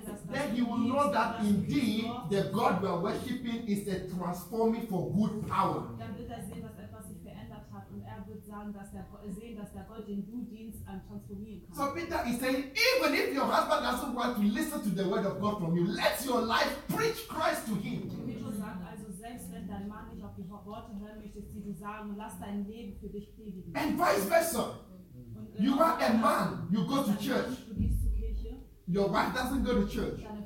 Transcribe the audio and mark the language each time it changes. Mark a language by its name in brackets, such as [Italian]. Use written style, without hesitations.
[English] Then you will know that indeed the God we are worshipping is a transforming for good power. [German] Dann wird er sehen, was etwas sich verändert hat, und er wird sagen, dass der, sehen, dass der Gott, den du dienst, transformieren kann. [English] So Peter is saying, even if your husband doesn't want to listen to the word of God from you, let your life preach Christ to him. [German] Petrus sagt also, selbst wenn dein Mann nicht auf die Worte hören möchte, die du sagen, lass dein Leben für dich predigen. [English] And vice versa. You are a man, you go to church. Your wife doesn't go to church.